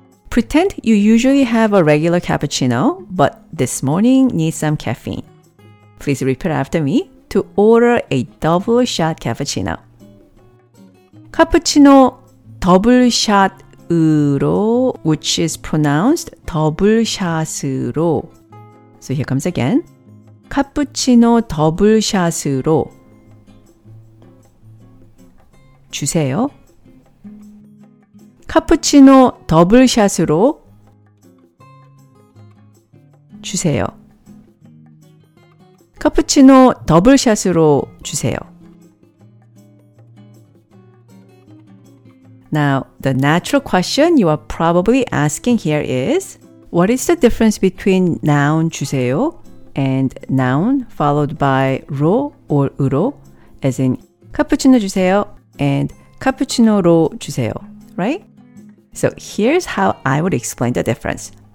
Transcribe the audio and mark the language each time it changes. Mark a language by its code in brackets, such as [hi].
[en] Pretend you usually have a regular cappuccino, but this morning need some caffeine. Please repeat after me to order a double shot cappuccino. Cappuccino double shot [ko] 으로, [en] which is pronounced [ko] 더블샷으로. [en] So here comes again. [ko] 카푸치노 더블샷으로 주세요. 카푸치노 더블샷으로 주세요. 카푸치노 더블샷으로 주세요. [en] Now, the natural question you are probably asking here is, what is the difference between noun 주세요 and noun followed by 로 or 으로, as in [ko] 카푸치노 주세요 [en] and [ko] 카푸치노로 주세요, [en] right? So here's how I would explain the difference.